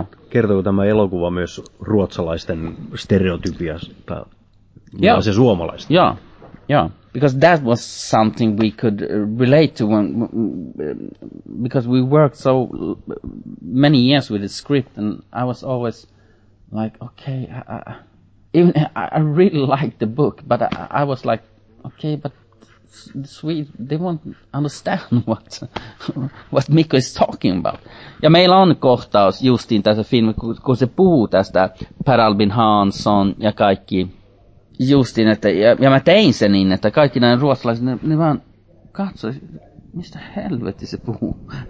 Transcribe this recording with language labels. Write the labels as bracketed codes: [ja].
[fi] Kertoo tämä elokuva myös ruotsalaisten stereotypiasta ja se suomalaista? Joo. [en] Yeah, because that was something we could relate to when, because we worked so many years with the script, and I was always like, okay, I really liked the book, but I was like, okay, but the Swedes, they won't understand what Mikko is talking about. [fi] Ja meillä on kohtaus justiin tässä filmissä, kun se puhuu tästä Per Albin Hansson ja kaikki. Justin, että ja mä tein sen niin, että kaikki näin ruotsalaiset, ne vaan katsoi, mistä helvetti se puhuu.